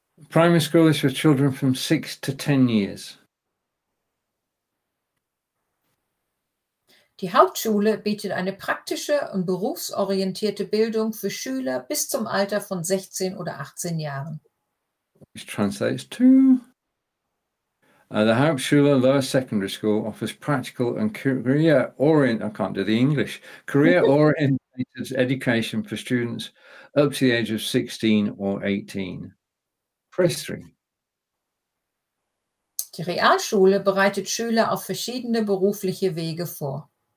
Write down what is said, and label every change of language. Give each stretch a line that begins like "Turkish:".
English: Primary school is for children from 6 to 10 years.
German: Die Hauptschule bietet eine praktische und berufsorientierte Bildung für Schüler bis zum Alter von 16 oder 18 Jahren.
English: Which translates to? The Hauptschule Lower Secondary School offers practical and career-oriented education for students up to the age of 16 or 18.
German: Die Realschule bereitet Schüler auf verschiedene berufliche Wege vor.